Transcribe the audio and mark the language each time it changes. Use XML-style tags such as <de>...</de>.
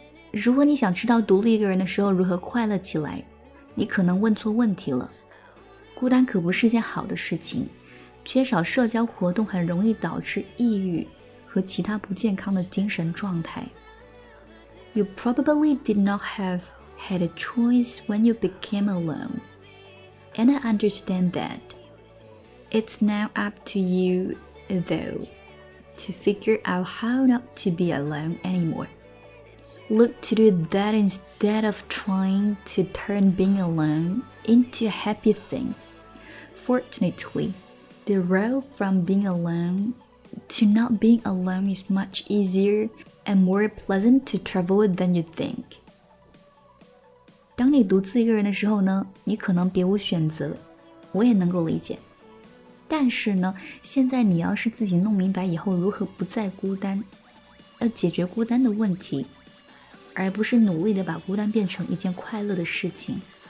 <zh>如果你想知道独立一个人的时候如何快乐起来，你可能问错问题了。孤单可不是件好的事情，缺少社交活动很容易导致抑郁和其他不健康的精神状态。</zh> <en>You probably did not have had a choice when you became alone. And I understand that. It's now up to you, though, to figure out how not to be alone anymore. Look to do that instead of trying to turn being alone into a happy thing. Fortunately, the road from being alone to not being alone is much easierand more pleasant to travel than you think.</en> <zh>当你独自一个人的时候呢，你可能别无选择，我也能够理解。但是呢，现在你要是自己弄明白以后如何不再孤单，要解决孤单的问题，而不是努力地把孤单变成一件快乐的事情。</zh>